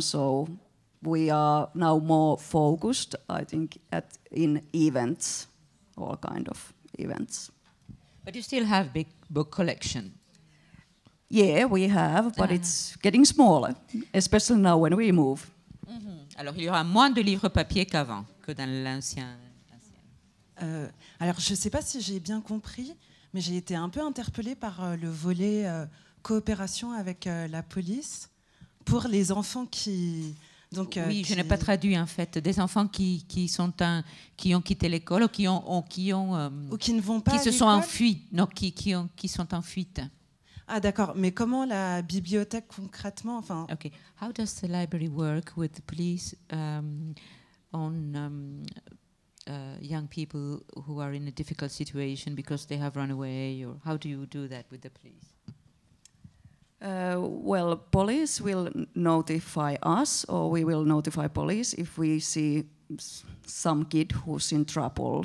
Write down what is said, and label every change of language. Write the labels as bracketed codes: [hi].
[en] So we are now more focused, I think, in events, all kind of events. But you still have big book collection. Yeah, we have, but it's getting smaller, especially now when we move. Mm-hmm. [fr] Alors il y aura moins de livres papier qu'avant que dans l'ancien. Alors, je ne sais pas si j'ai bien compris, mais j'ai été un peu interpellée par le volet coopération avec la police pour les enfants qui... Donc, oui, je n'ai pas traduit, en fait. Des enfants qui ont quitté l'école ou qui se sont enfuis. Ah, d'accord. Mais comment la bibliothèque concrètement... Enfin... [en] OK. How does the library work with the police young people who are in a difficult situation because they have run away, or how do you do that with the police? Well, police will notify us, or we will notify police if we see some kid who's in trouble.